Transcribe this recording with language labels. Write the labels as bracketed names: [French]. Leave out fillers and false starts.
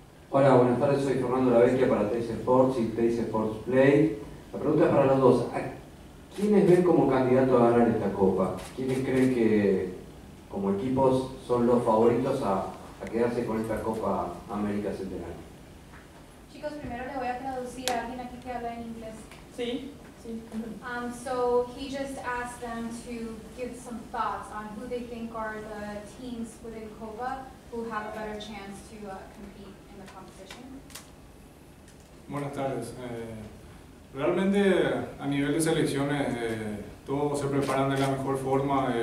[Spanish] Hola, buenas tardes, soy Fernando Lavecchia para Teis Sports y Teis Sports Play. La pregunta es para los dos. ¿Quiénes ven como candidato a ganar esta copa? ¿Quiénes creen que como equipos son los favoritos a quedarse con esta Copa América Centenario? Chicos, primero le voy a traducir a alguien aquí que habla en inglés. Sí. [English] So he just asked them to give some thoughts on who they think are the teams within Copa who have a better chance to compete in the competition. [Spanish] Buenas tardes. Realmente a nivel de selecciones todos se preparan de la mejor forma.